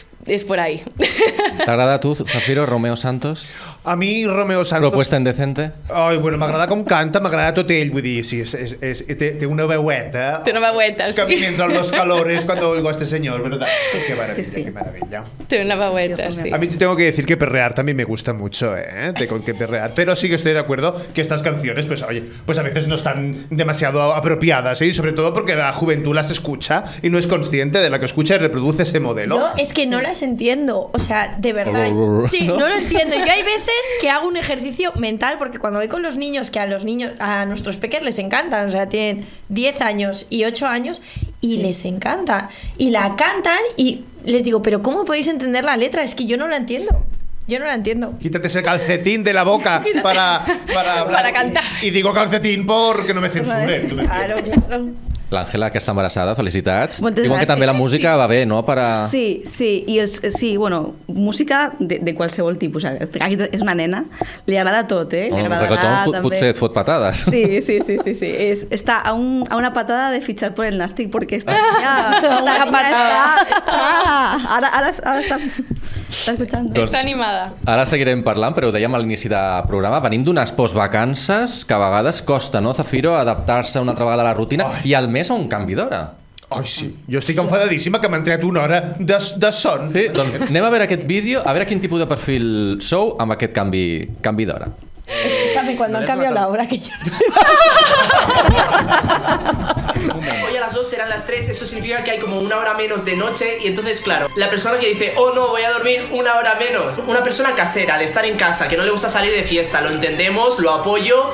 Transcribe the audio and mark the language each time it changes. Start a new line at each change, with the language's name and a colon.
Spanish: és por ahí.
Catalan: T'agrada a tu, Zafiro, Romeo Santos? A mi Romeo Santos...
Spanish: Propuesta indecente.
Catalan: Ai, bueno, m'agrada com canta, m'agrada tot ell, vull dir, sí, té una veueta. Té una veueta, sí.
Spanish: Que
Catalan: mentre els
Spanish: calores quan oigo a este senyor, ¿verdad? Que maravilla, sí, sí. Que maravilla.
Catalan: Té una veueta, sí.
Spanish: A mi te tengo que decir que perrear també me gusta mucho, ¿eh? Tengo que perrear. Pero sí que estoy de acuerdo que estas canciones, pues, oye, pues a veces no están demasiado apropiadas, ¿eh? Y sobre todo porque la juventud las escucha y no es consciente de la que escucha y reproduce ese modelo. Yo es que no las entiendo, o sea, de verdad. Sí, no lo entiendo. Yo hay veces que hago un ejercicio mental, porque cuando voy con los niños, que a los niños, a nuestros peques les encantan, o sea, tienen 10 años y 8 años y sí, les encanta, y la cantan y les digo, pero ¿cómo podéis entender la letra? Es que yo no la entiendo. Yo no la entiendo. Quítate ese calcetín de la boca para hablar. Para cantar. Y digo calcetín porque no me censuren. Claro, claro.
Catalan: L'Àngela, que està embarassada, felicitats. Moltes diuen que també la música sí, va bé, no?
Spanish: Para...
Catalan: Sí, sí, i els, sí, bueno, música de qualsevol tipus. Aquí és una nena, li agrada tot, eh? Li agrada reggaeton, també. Potser et fot patades. Sí, sí, sí, sí, sí. És, està a una patada de fitxar per el Nàstic, perquè està... Ja, una patada! Ara està... Està escoltant. Doncs, està animada. Ara seguirem parlant, però ho dèiem a l'inici del programa. Venim d'unes postvacances que a vegades costa, no, Zafiro, adaptar-se una altra vegada a la rutina. Ai. I al més a un canvi d'hora. Ai, sí. Jo estic enfadadíssima que m'han tret una hora de son. Sí, doncs anem a veure aquest vídeo, a veure quin tipus de perfil sou amb aquest canvi d'hora.
Spanish: Escúchame, cuando han cambiado la hora que yo... Hoy a las 2 serán las 3, eso significa que hay como una hora menos de noche y entonces, claro, la persona que dice, oh no, voy a dormir una hora menos. Una persona casera, de estar en casa, que no le gusta salir de fiesta, lo entendemos, lo apoyo.